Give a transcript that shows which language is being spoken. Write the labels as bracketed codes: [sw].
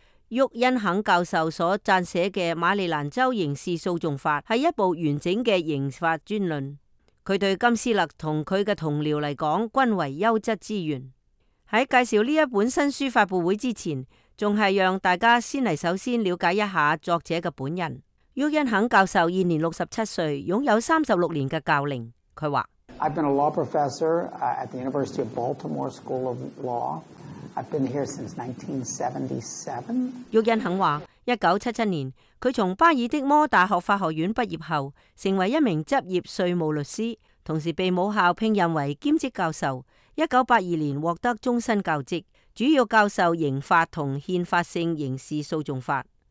[yue] 沃恩肯教授所撰写的《马里兰州刑事诉讼法》是一部完整的刑法专论，他对金斯勒和他的同僚来说均为优质资源。在介绍这一本新书发布会之前，还是让大家先来首先了解一下作者的本人。沃恩肯教授现年67岁，拥有36年的教龄。他说， [en] I've been a law professor at the University of Baltimore School of Law. I've been here since 1977. [yue] 沃恩肯说，1977年他从巴尔的摩大学法学院毕业后，成为一名执业税务律师，同时被母校聘任为兼职教授。 1982年获得终身教职，主要教授刑法和宪法性刑事诉讼法。